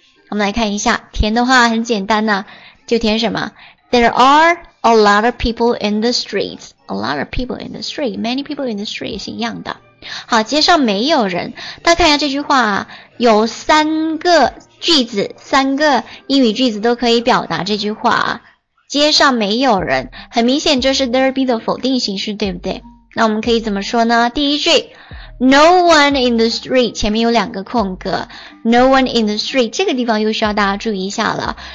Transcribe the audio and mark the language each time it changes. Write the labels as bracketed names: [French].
[Chinese] 我们来看一下，填的话很简单啊，就填什么？ [English] there are a lot of people in the street。 a lot of people in the street， many people in the street [Chinese] 也是一样的。好，街上没有人，大家看一下这句话，有三个句子，三个英语句子都可以表达这句话。街上没有人，很明显这是 there be 的否定形式，对不对？那我们可以怎么说呢？第一句 [English] No one in the street， [Chinese] 前面有两个空格， No one in the street， 这个地方又需要大家注意一下了。